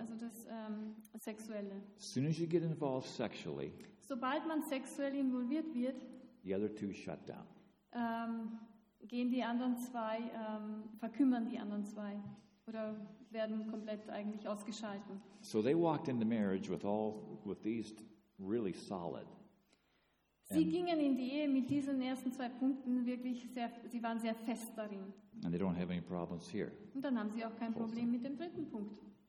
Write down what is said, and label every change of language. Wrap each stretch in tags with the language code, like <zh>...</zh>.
<de>Also das sexuelle.</de> <en>As soon as you get involved sexually.</en> <de>Sobald man sexuell involviert wird.</de> <en>The other two shut down.</en> <de>Gehen die anderen zwei, verkümmern die anderen zwei oder werden komplett eigentlich ausgeschalten.</de> <en>So they walked into marriage with all with these really solid.</en> <de>Sie gingen in die Ehe mit diesen ersten zwei Punkten wirklich sehr, sie waren sehr fest darin.</de> <en>And they don't have any problems here.</en> <de>Und dann haben sie auch kein Problem mit dem dritten Punkt.</de>